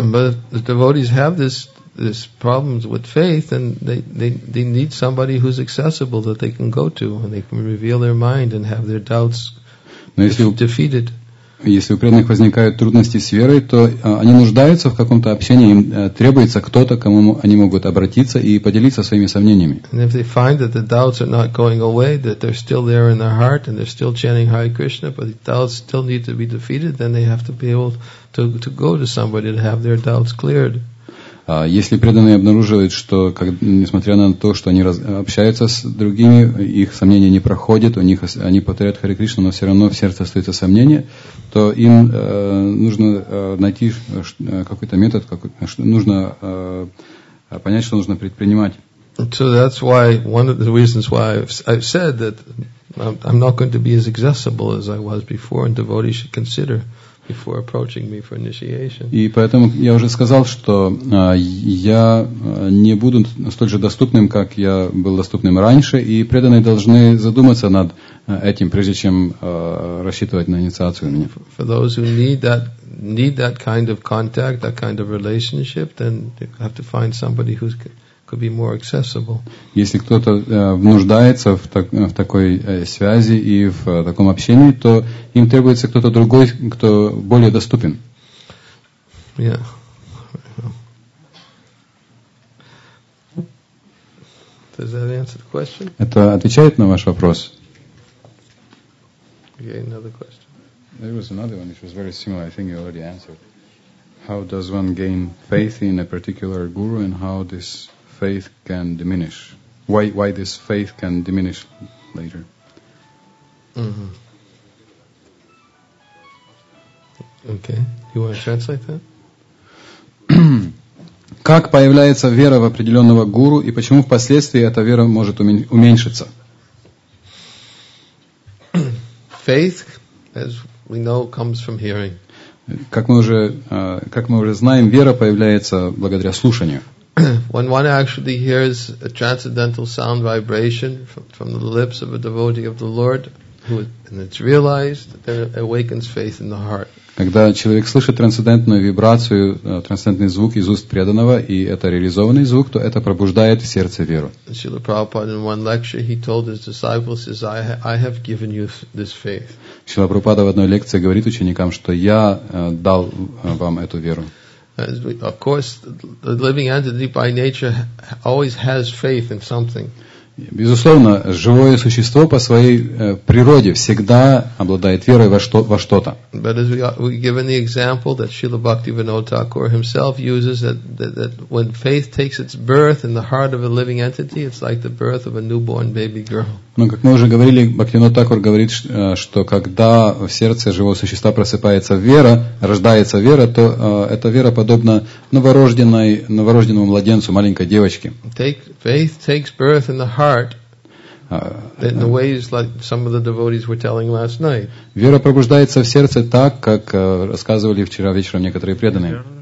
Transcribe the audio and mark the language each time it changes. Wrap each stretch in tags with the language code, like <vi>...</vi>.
<en>But the devotees have this problems with faith, and they need somebody who's accessible that they can go to, and they can reveal their mind and have their doubts defeated.</en> <ru>Если у преданных возникают трудности с верой, то они нуждаются в каком-то общении, им требуется кто-то, к кому они могут обратиться и поделиться своими сомнениями.</ru> <en>And if they find that the doubts are not going away, that they're still there in their heart and they're still chanting Hare Krishna, but the doubts still need to be defeated, then they have to be able to go to somebody to have their doubts cleared.</en> <ru>Если преданные обнаруживают, что несмотря на то, что они общаются с другими, их сомнения не проходят, они повторяют Харе Кришну, но все равно в сердце остаются сомнения, то им нужно найти какой-то метод, нужно понять, что нужно предпринимать.</ru> <en>So that's why one of the reasons why I've said that I'm not going to be as accessible as I was before, and devotees should consider before approaching me for initiation.</en> <ru>И поэтому я уже сказал, что я не буду столь же доступным, как я был доступным раньше, и преданные должны задуматься над этим, прежде чем рассчитывать на инициацию меня.</ru> <en>For those who need that kind of contact, that kind of relationship, then you have to find somebody who's could be more accessible.</en> <ru>Если кто-то нуждается в такой связи и в таком общении, то им требуется кто-то другой, кто более доступен.</ru> <en>Yeah. Does that answer the question?</en> <ru>Это отвечает на ваш вопрос?</ru> <en>Okay, another question. There was another one which was very similar. I think you already answered. How does one gain faith in a particular guru and how this faith can diminish. Why this faith can diminish later? Mm-hmm. Okay. You want to translate that?</en> <ru>Как появляется вера в определенного гуру и почему впоследствии эта вера может уменьшиться?</ru> <en>Faith, as we know, comes from hearing.</en> <ru>Как мы уже знаем, вера появляется благодаря слушанию.</ru> <en>When one actually hears a transcendental sound vibration from the lips of a devotee of the Lord, and it's realized, then it awakens faith in the heart.</en> <ru>Когда человек слышит трансцендентную вибрацию, трансцендентный звук из уст преданного, и это реализованный звук, то это пробуждает в сердце веру.</ru> <en>Srila Prabhupada in one lecture, he told his disciples, says, I have given you this faith.</en> <ru>Srila Prabhupada в одной лекции говорит ученикам, что я дал вам эту веру.</ru> <en>As we, of course, the living entity by nature always has faith in something.</en> <ru>Безусловно, живое существо по своей природе всегда обладает верой во что-то.</ru> <en>But as we given the example that Srila Bhaktivinoda Thakur himself uses, that when faith takes its birth in the heart of a living entity, it's like the birth of a newborn baby girl.</en> <ru>Ну, как мы уже говорили, Бхактивинода Такур говорит, что когда в сердце живого существа просыпается вера, рождается вера, то эта вера подобна новорожденному младенцу, маленькой девочке.</ru> <en>Faith takes birth in the heart in the ways like some of the devotees were telling last night.</en> <ru>Вера пробуждается в сердце так, как рассказывали вчера вечером некоторые преданные.</ru>